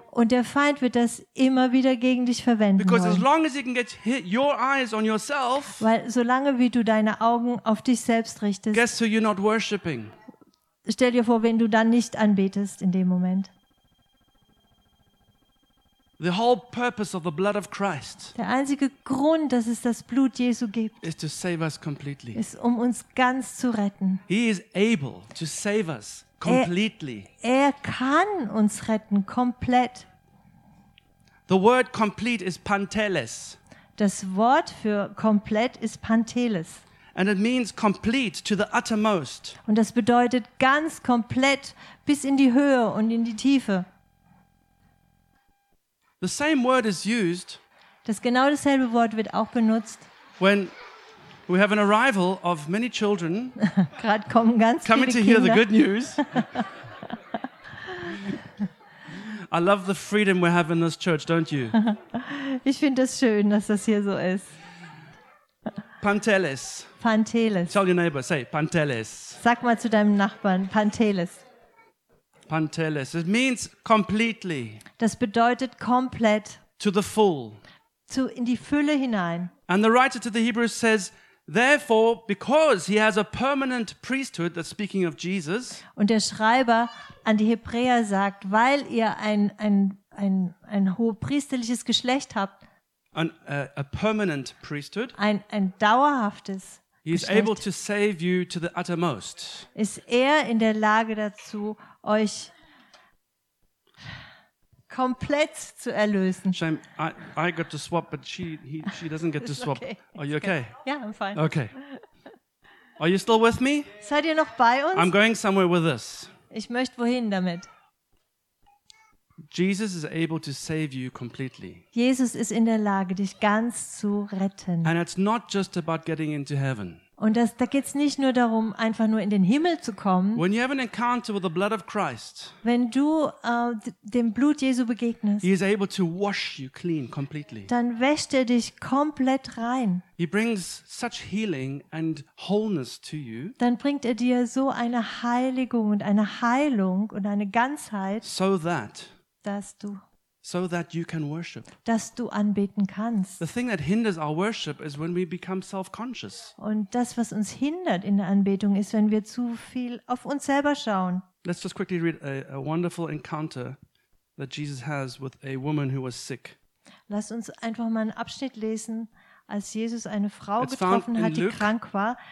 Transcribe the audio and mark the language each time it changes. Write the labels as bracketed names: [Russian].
[German] Und der Feind wird das immer wieder gegen dich verwenden. [English] Because as long as you can get your eyes on yourself, [German] weil solange wie du deine Augen auf dich selbst richtest, [English] guess who you're not worshiping. [German] Stell dir vor, wenn du dann nicht anbetest in dem Moment. [English] The whole purpose of the blood of Christ. [German] Der einzige Grund, dass es das Blut Jesu gibt, [English] is to save us completely. [German] Ist um uns ganz zu retten. [English] He is able to save us completely. [German] Er kann uns retten komplett. [English] The word complete is panteles. [German] Das Wort für komplett ist panteles. [English] And it means complete to the uttermost. [German] Und das bedeutet ganz komplett bis in die Höhe und in die Tiefe. [English] The same word is used. [German] Das genau dasselbe Wort wird auch benutzt. [English] When we have an arrival of many children. [German] Gerade kommen ganz viele [English] coming to [German] Kinder. [English] Hear the good news. I love the freedom we have in this church, don't you? [German] Ich finde es schön, dass das hier so ist. [English] Panteles. [German] Panteles. [English] Tell your neighbor, say panteles. [German] Sag mal zu deinem Nachbarn, panteles. [English] Panteles. It means completely. [German] Das bedeutet komplett. [English] To the full. [German] Zu in die Fülle hinein. [English] And the writer to the Hebrews says, therefore, because he has a permanent priesthood, that's speaking of Jesus. [German] Und der Schreiber an die Hebräer sagt, weil ihr ein hohepriesterliches Geschlecht habt. [English] A permanent priesthood. [German] Ein dauerhaftes. [English] He is able to save you to the uttermost. [German] Ist er in der Lage dazu, euch komplett zu erlösen? [English] Shame, I got to swap, but she doesn't get to swap. Okay. Are you okay? Yeah, I'm fine. Okay. Are you still with me? [German] Seid ihr noch bei uns? [English] I'm going somewhere with this. [German] Ich möchte wohin damit? [English] Jesus is able to save you completely. [German] Jesus ist in der Lage, dich ganz zu retten. [English] And it's not just about getting into heaven. [German] Und da geht's nicht nur darum, einfach nur in den Himmel zu kommen. [English] When you have an encounter with the blood of Christ. [German] Wenn du dem Blut Jesu begegnest. [English] He is able to wash you clean completely. [German] Dann wäscht er dich komplett rein. [English] He brings such healing and wholeness to you. [German] Dann bringt er dir so eine Heiligung und eine Heilung und eine Ganzheit. [English] So that. So that you can worship. [German] Dass du anbeten kannst. [English] The thing that hinders our worship is when we become self-conscious. [German] Und das, was uns hindert in der Anbetung, ist, wenn wir zu viel auf uns selber schauen. [English] Let's just quickly read a wonderful encounter that Jesus has with a woman who was sick. [German] Lass uns einfach mal einen Abschnitt lesen, als Jesus eine Frau getroffen hat, die krank war.